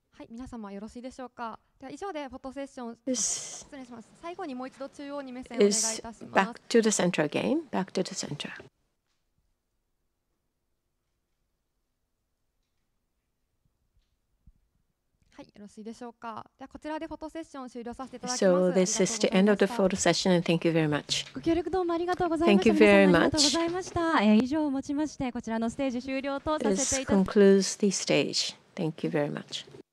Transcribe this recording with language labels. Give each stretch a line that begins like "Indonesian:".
Japanese: 皆様よろしいでしょうか。では以上でフォトセッション失礼します。最後にもう一度中央に目線をお願いいたします。
English: Back to the center again. Back to the center.
Japanese: はい、よろしいでしょうか。ではこちらでフォトセッション終了させていただきます。
English: So this is the end of the photo session and thank you very much.
Japanese: ご協力どうもありがとうございました。
English: Thank you very much.
Japanese: ありがとうございました。以上をもちましてこちらのステージ終了とさせていただきます。
English: This concludes the stage. Thank you very much.